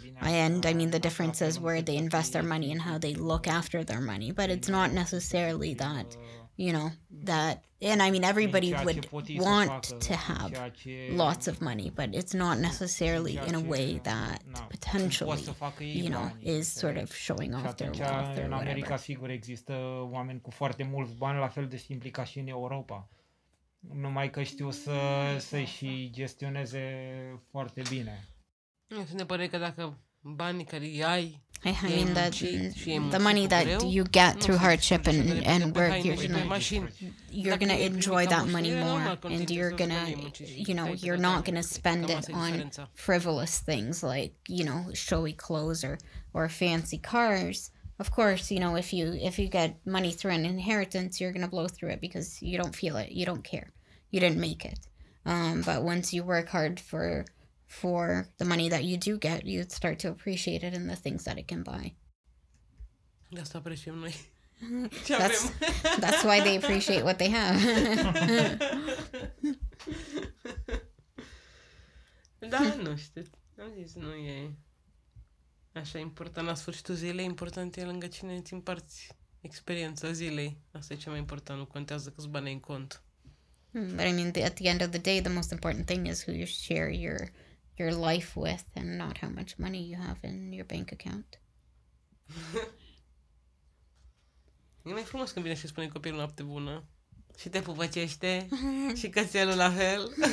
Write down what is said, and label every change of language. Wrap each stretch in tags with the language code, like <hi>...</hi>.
<en>And I mean the difference is where they invest their money and how they look after their money. But it's not necessarily that, you know, that, and I mean everybody would want to have lots of money, but it's not necessarily in a way that potentially, you know, is sort of showing off their wealth or whatever.</en> <ro>In America, sigur, există oameni cu foarte mulți bani, la fel de simpli ca și în Europa. Numai că știu să-i și gestioneze foarte bine. Se ne pare că dacă banii care i-ai,</ro> <en>I mean that the money that you get through hardship and work, you're gonna enjoy that money more, and you're gonna, you know, you're not gonna spend it on frivolous things like, you know, showy clothes or fancy cars. Of course, you know, if you get money through an inheritance, you're gonna blow through it because you don't feel it, you don't care, you didn't make it. But once you work hard for the money that you do get, you start to appreciate it and the things that it can buy. That's why they appreciate what they have.</en> <ro>Da, nu știu. Am zis, nu e așa important la sfârșitul zilei. Important e lângă cine îți împarți experiența zilei. Asta e cea mai important. Nu contează câți bani în cont.</ro> <en>But I mean, at the end of the day, the most important thing is who you share your life with and not how much money you have in your bank account.</en> <ro>E mai frumos când vine și spune copilul noapte bună și te pupăcește și cățelul la fel.</ro>